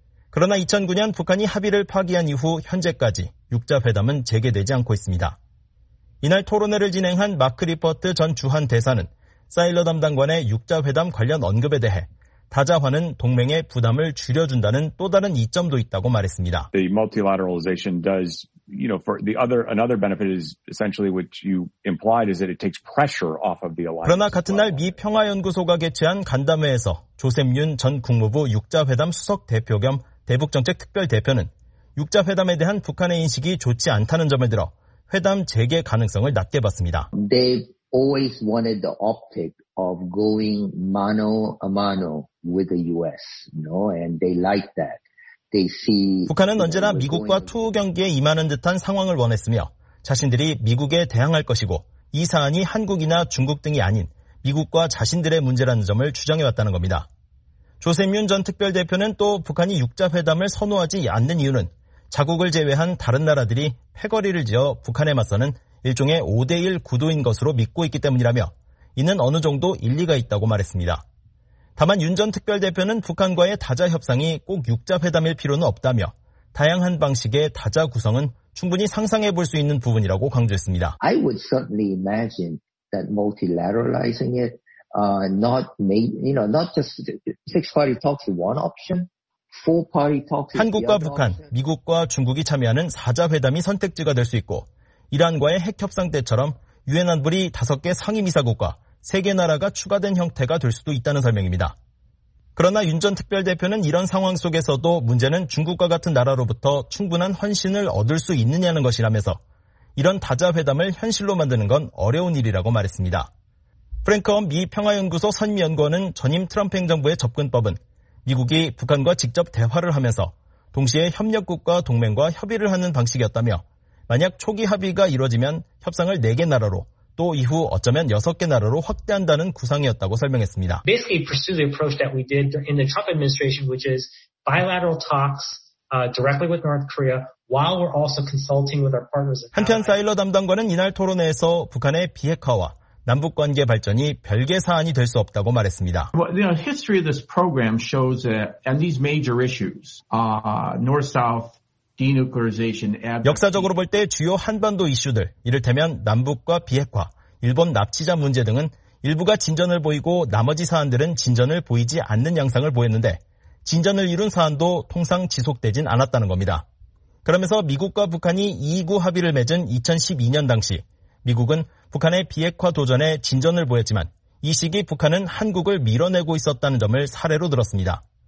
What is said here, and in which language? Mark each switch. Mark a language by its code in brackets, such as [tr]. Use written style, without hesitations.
[ko] 그러나 2009년 북한이 합의를 파기한 이후 현재까지 육자회담은 재개되지 않고 있습니다. 이날 토론회를 진행한 마크 리퍼트 전 주한대사는 사일러 담당관의 육자회담 관련 언급에 대해 다자화는 동맹의 부담을 줄여준다는 또 다른 이점도 있다고 말했습니다. [en] The multilateralization does, you know, for the other, another benefit is essentially what you implied is that it takes pressure off of the alliance. [ko] 그러나 같은 날 미 평화연구소가 개최한 간담회에서 조셉 윤 전 국무부 육자회담 수석 대표 겸 대북정책 특별 대표는 육자회담에 대한 북한의 인식이 좋지 않다는 점을 들어 회담 재개 가능성을 낮게 봤습니다. [en] They've always wanted the optic. Of going mano a mano with the U.S. No, and they like that. They see. [ko] 북한은 언제나 미국과 투우 경기에 임하는 듯한 상황을 원했으며 자신들이 미국에 대항할 것이고 이 사안이 한국이나 중국 등이 아닌 미국과 자신들의 문제라는 점을 주장해 왔다는 겁니다. 조세민 전 특별 대표는 또 북한이 육자 회담을 선호하지 않는 이유는 자국을 제외한 다른 나라들이 패거리를 지어 북한에 맞서는 일종의 5대1 구도인 것으로 믿고 있기 때문이라며. 이는 어느 정도 일리가 있다고 말했습니다. 다만 윤 전 특별대표는 북한과의 다자 협상이 꼭 육자회담일 필요는 없다며 다양한 방식의 다자 구성은 충분히 상상해 볼 수 있는 부분이라고 강조했습니다. [en] I would certainly imagine that multilateralizing it, not may, you know, not just six-party talks is one option. Four-party talks. [ko] 한국과 북한, 미국과 중국이 참여하는 4자 회담이 선택지가 될 수 있고 이란과의 핵 협상 때처럼. 유엔 안보리 5개 상임이사국과 3개 나라가 추가된 형태가 될 수도 있다는 설명입니다. 그러나 윤 전 특별대표는 이런 상황 속에서도 문제는 중국과 같은 나라로부터 충분한 헌신을 얻을 수 있느냐는 것이라면서 이런 다자회담을 현실로 만드는 건 어려운 일이라고 말했습니다. 프랭크 엄 미 평화연구소 선임연구원은 전임 트럼프 행정부의 접근법은 미국이 북한과 직접 대화를 하면서 동시에 협력국과 동맹과 협의를 하는 방식이었다며 만약 초기 합의가 이루어지면 협상을 4개 나라로 또 이후 어쩌면 6개 나라로 확대한다는 구상이었다고 설명했습니다. [en] Basically pursue the approach that we did in the Trump administration, which is bilateral talks directly with North Korea while we're also consulting with our partners. [ko] 한편 사일러 담당관은 이날 토론회에서 북한의 비핵화와 남북 관계 발전이 별개 사안이 될 수 없다고 말했습니다. [en] Well, you know, history of this program shows that and these major issues, North-South denuclearization. [ko] 역사적으로 볼 때 주요 한반도 이슈들, 이를테면 남북과 비핵화, 일본 납치자 문제 등은 일부가 진전을 보이고 나머지 사안들은 진전을 보이지 않는 양상을 보였는데 진전을 이룬 사안도 통상 지속되진 않았다는 겁니다. 그러면서 미국과 북한이 2.29 합의를 맺은 2012년 당시 미국은 북한의 비핵화 도전에 진전을 보였지만 이 시기 북한은 한국을 밀어내고 있었다는 점을 사례로 들었습니다.